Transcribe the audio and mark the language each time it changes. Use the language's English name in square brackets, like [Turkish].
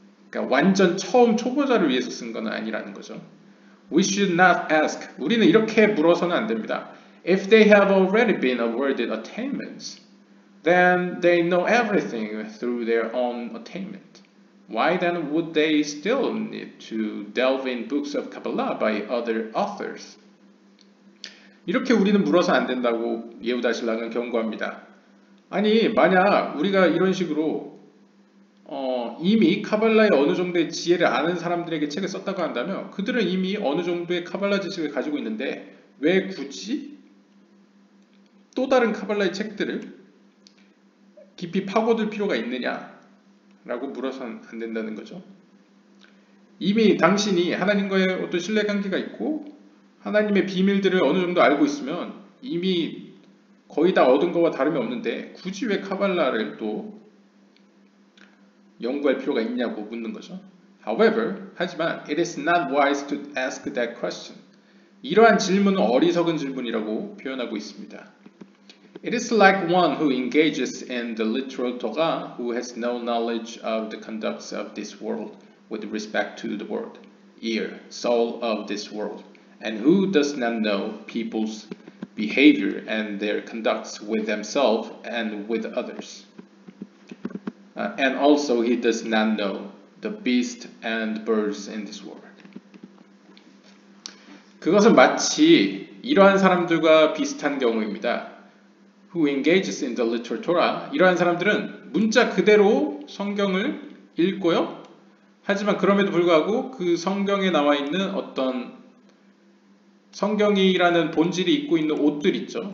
[Korean] 그러니까 완전 처음 초보자를 위해서 쓴 건 아니라는 거죠. [English] We should not ask. [Korean] 우리는 이렇게 물어서는 안 됩니다. [English] If they have already been awarded attainments, then they know everything through their own attainment. Why then would they still need to delve in books of Kabbalah by other authors? [Korean] 이렇게 우리는 물어서 안 된다고 예우다 신랑은 경고합니다. 아니, 만약 우리가 이런 식으로 이미 카발라의 어느 정도의 지혜를 아는 사람들에게 책을 썼다고 한다면 그들은 이미 어느 정도의 카발라 지식을 가지고 있는데 왜 굳이 또 다른 카발라의 책들을 깊이 파고들 필요가 있느냐 라고 물어서는 안 된다는 거죠. 이미 당신이 하나님과의 어떤 신뢰관계가 있고 하나님의 비밀들을 어느 정도 알고 있으면 이미 거의 다 얻은 것과 다름이 없는데 굳이 왜 카발라를 또 연구할 필요가 있냐고 묻는 거죠. [English] However, [Korean] 하지만 [English] it is not wise to ask that question. [Korean] 이러한 질문은 어리석은 질문이라고 표현하고 있습니다. [English] It is like one who engages in the literal Torah who has no knowledge of the conducts of this world with respect to the world, ear, soul of this world, and who does not know people's behavior and their conducts with themselves and with others. And also he does not know the beast and birds in this world. [Korean] 그것은 마치 이러한 사람들과 비슷한 경우입니다. [English] Who engages in the literal Torah. [Korean] 이러한 사람들은 문자 그대로 성경을 읽고요. 하지만 그럼에도 불구하고 그 성경에 나와 있는 어떤 성경이라는 본질이 입고 있는 옷들 있죠.